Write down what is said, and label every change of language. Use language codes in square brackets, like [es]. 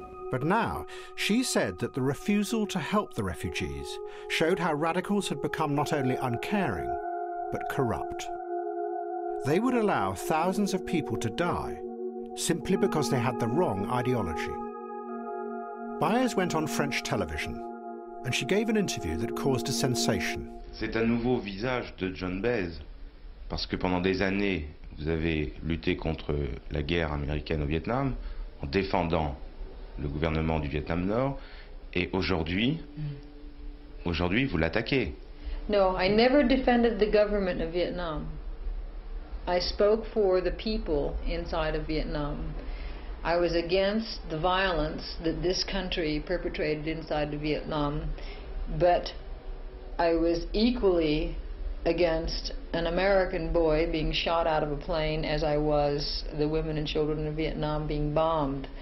[en] But now, she said that the refusal to help the refugees showed how radicals had become not only uncaring, but corrupt. They would allow thousands of people to die simply because they had the wrong ideology. Baez went on French television, and she gave an interview that caused a sensation. [fr] C'est un nouveau visage de Joan Baez, parce que pendant des années, vous avez lutté contre la guerre américaine au Vietnam en défendant le gouvernement du Vietnam Nord, et aujourd'hui, vous l'attaquez. [en] No, I never defended the government of Vietnam. I spoke for the people inside of Vietnam. I was against the violence that this country perpetrated inside of Vietnam, but I was equally against an American boy being shot out of a plane as I was the women and children of Vietnam being bombed.